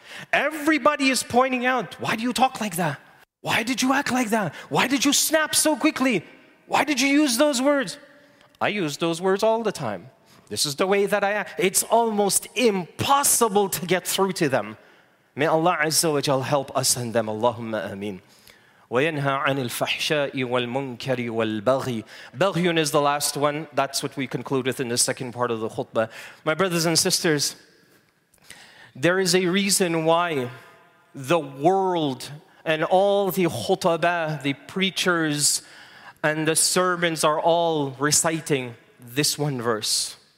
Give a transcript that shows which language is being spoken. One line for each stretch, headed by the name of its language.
English: Everybody is pointing out, why do you talk like that? Why did you act like that? Why did you snap so quickly? Why did you use those words? I use those words all the time. This is the way that I act. It's almost impossible to get through to them. May Allah Azza wa Jal help us and them. Allahumma ameen.
Arabic: وَيَنْهَا عَنِ الْفَحْشَاءِ وَالْمُنْكَرِ وَالْبَغْيِ بَغْيٌ
English: is the last one. That's what we conclude with in the second part of the khutbah. My brothers and sisters, there is a reason why the world and all the khutbah, the preachers and the sermons are all reciting this one verse.